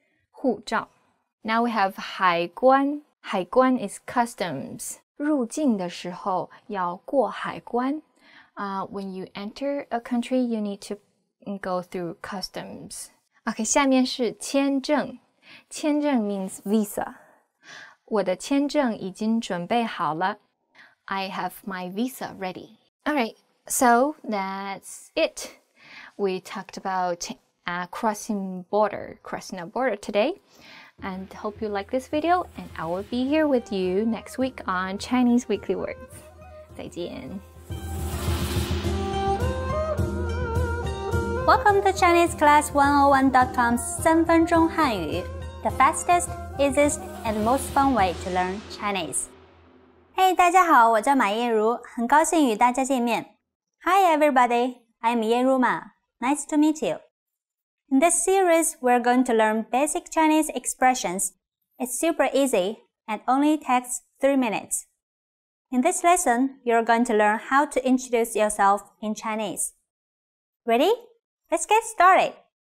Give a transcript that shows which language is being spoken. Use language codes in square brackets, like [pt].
[en] 护照。Now we have 海关。海关 is customs. [zh] 入境的时候要过海关。 [en] When you enter a country, you need to go through customs. Okay, [zh] 下面是签证。签证 [en] means visa. [zh] 我的签证已经准备好了。 [en] I have my visa ready. Alright, so that's it. We talked about crossing a border today. And hope you like this video, and I will be here with you next week on Chinese Weekly Words. [zh] 再见。 [en] Welcome to ChineseClass101.com 三分钟汉语 the fastest, easiest, and most fun way to learn Chinese. [zh] Hey, 大家好，我叫马燕如，很高兴与大家见面。 [en] Hi, everybody. I'm 燕如 Ma. Nice to meet you. In this series, we're going to learn basic Chinese expressions. It's super easy and only takes 3 minutes. In this lesson, you're going to learn how to introduce yourself in Chinese. Ready? Let's get started!